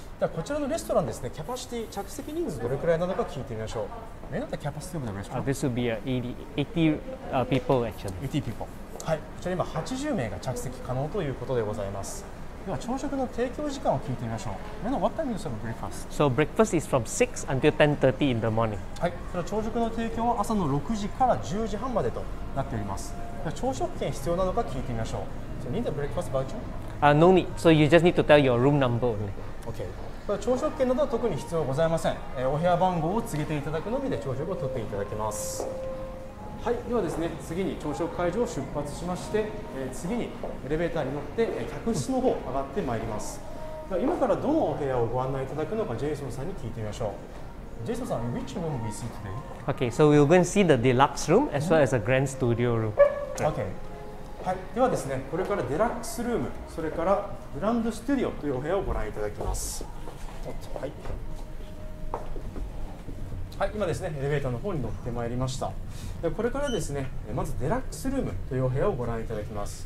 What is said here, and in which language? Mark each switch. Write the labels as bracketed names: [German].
[Japanese] ではこちらのレストランですね、キャパシティ、着席人数どれくらいなのか聞いてみましょう。何だったキャパシティのレストラン、 [English] This will be 80 people actually 80 people、 [Japanese] はい、こちら今80名が着席可能ということでございます。では朝食の提供時間を聞いてみましょう。 [English] メノ、What time is your breakfast? So breakfast is from 6 until 10:30 in the morning. [Japanese] はい、では朝食の提供は朝の6時から10時半までとなっております。では朝食券必要なのか聞いてみましょう。 [English] So need a breakfast voucher? No need. So you just need to tell your room number only. Okay. [Japanese] では朝食券などは特に必要ございません。お部屋番号を告げていただくのみで朝食を取っていただけます。はい、ではですね、次に朝食会場を出発しまして、次にエレベーターに乗って、客室の方上がってまいります。では今からどのお部屋をご案内いただくのか、ジェイソンさんに聞いてみましょう。 [English] ジェイソンさん、Which room we see today? Okay, so we're going to see the deluxe room as well as a grand studio room. Okay. [Japanese] はい、ではですね、これからデラックスルーム、それからグランドステディオというお部屋をご覧いただきます。はい、はい、今ですね、エレベーターの方に乗ってまいりました。でこれからですね、まずデラックスルームというお部屋をご覧いただきます。